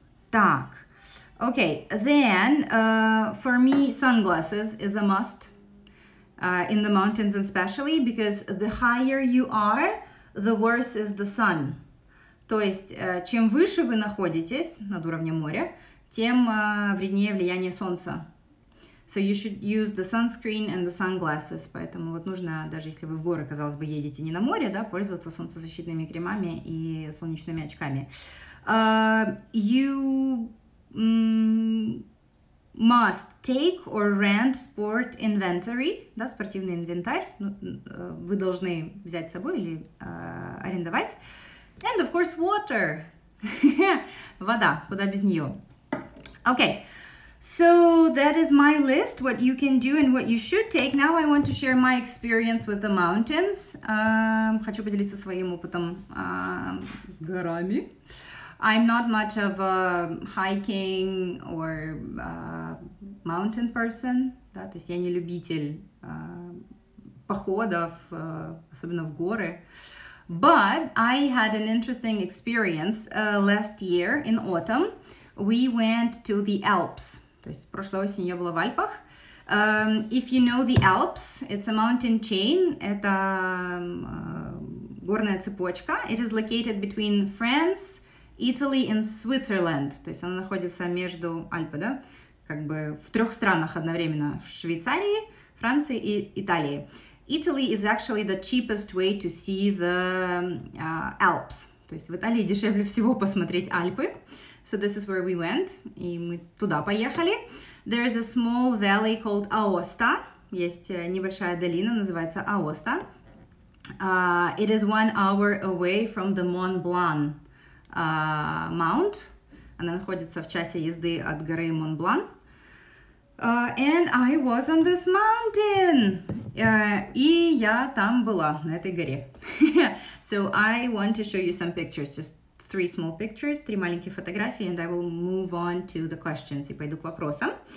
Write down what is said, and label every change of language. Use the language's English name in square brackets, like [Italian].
[English] Так, okay, then, for me, sunglasses is a must, in the mountains especially, because the higher you are, the worse is the sun. [Russian] То есть, чем выше вы находитесь над уровнем моря, тем вреднее влияние солнца. [English] So you should use the sunscreen and the sunglasses. [Russian] Поэтому вот нужно, даже если вы в горы, казалось бы, едете не на море, да, пользоваться солнцезащитными кремами и солнечными очками. [English] You must take or rent sport inventory, [Russian] да, спортивный инвентарь. Ну, вы должны взять с собой или арендовать. [English] And of course water. [Russian] Вода, куда без нее. [English] Okay. So that is my list, what you can do and what you should take. Now I want to share my experience with the mountains. [Russian] Хочу поделиться своим опытом с горами. [English] I'm not much of a hiking or mountain person. [Russian] Да, то есть я не любитель походов, особенно в горы. [English] But I had an interesting experience last year in autumn. We went to the Alps. [Russian] То есть прошлой осенью я была в Альпах. [English] If you know the Alps, it's a mountain chain. [Russian] Это горная цепочка. [English] It is located between France, Italy and Switzerland. [Russian] То есть она находится между Альпами, да? Как бы в трех странах одновременно. В Швейцарии, Франции и Италии. [English] Italy is actually the cheapest way to see the Alps. [Russian] То есть в Италии дешевле всего посмотреть Альпы. [English] So this is where we went. [Russian] И мы туда поехали. [English] There is a small valley called Aosta. [Russian] Есть небольшая долина, называется Аоста. [English] It is 1 hour away from the Mont Blanc mount. [Russian] Она находится в часе езды от горы Mont Blanc. [English] And I was on this mountain. [Russian] И я там была, на этой горе. [English] So I want to show you some pictures, just three small pictures, [Russian] три маленькие фотографии, [English] and I will move on to the questions. [Russian] И пойду к вопросам.